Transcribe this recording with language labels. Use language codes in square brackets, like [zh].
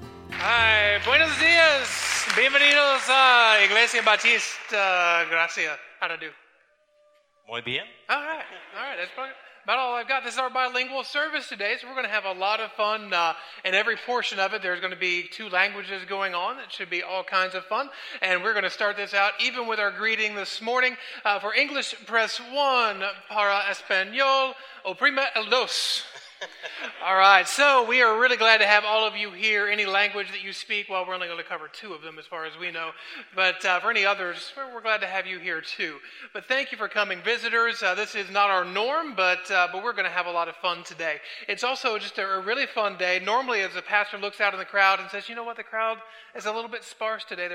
[es] Hi, buenos dias, bienvenidos a Iglesia Batista, gracias. [en] How to do? [es] Muy bien. [en] All right. That's probably about all I've got. This is our bilingual service today, so we're going to have a lot of fun in every portion of it. There's going to be two languages going on. It should be all kinds of fun. And we're going to start this out even with our greeting this morning. For English, press one. [es] Para español, oprima el dos. [en] All right, so we are really glad to have all of you here. Any language that you speak, well, we're only going to cover two of them as far as we know, but for any others, we're glad to have you here too. But thank you for coming, visitors. This is not our norm, but we're going to have a lot of fun today. It's also just a really fun day. Normally, as a pastor looks out in the crowd and says, you know what, the crowd is a little bit sparse today.